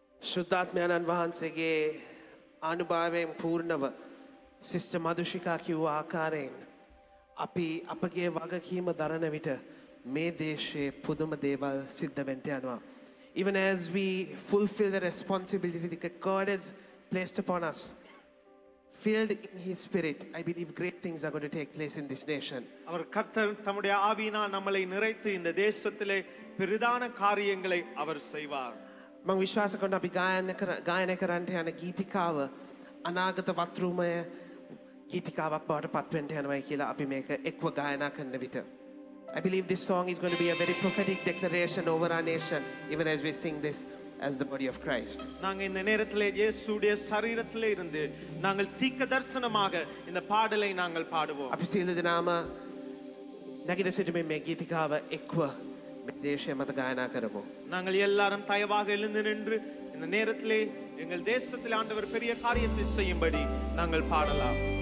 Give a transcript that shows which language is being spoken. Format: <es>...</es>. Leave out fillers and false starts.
<si>සුද්ධාත්මයන් වහන්සේගේ අනුභවයෙන් පූර්ණව සිස්ට මදුෂිකා කිව්ව ආකාරයෙන් අපි අපගේ වගකීම දරන විට මේ දේශයේ පුදුම දේවල් සිද්ධ වෙන්න යනවා.</si> <en>Even as we fulfill the responsibility that God has placed upon us, filled in His Spirit, I believe great things are going to take place in this nation.</en> <ta>அவர் கர்த்தர் தம்முடைய ஆவியினால் நம்மளை நிறைத்து இந்த தேசத்திலே பெரிதான காரியங்களை அவர் செய்வார்.</ta> <si>මම විශ්වාස කරනවා අපි ගායනා කරන්න යන ගීතිකාව අනාගත වතුරුමය ගීතිකාවක් බවට පත් වෙන්න යනවායි කියලා අපි මේක එක්ව ගායනා කරන විට</si> <en>I believe this song is going to be a very prophetic declaration over our nation even as we sing this as the body of Christ.</en> <ta>நாங்கள் இந்த நேரத்திலே இயேசுவின் சரீரத்திலே இருந்து நாங்கள் தீக்க தரிசனமாக இந்த பாடலை நாங்கள் பாடுவோம்.</ta> <si>අපි සියලු දෙනාම නැගිට සිටින මේ ගීතිකාව එක්ව මේ දේශය මත ගායනා කරමු.</si> <ta>நாங்கள் எல்லாரும் தயவாக எழுந்து நின்று இந்த நேரத்திலே எங்கள் தேசத்தில் ஆண்டவர் பெரிய காரியத்தை செய்யும்படி நாங்கள் பாடலாம்.</ta>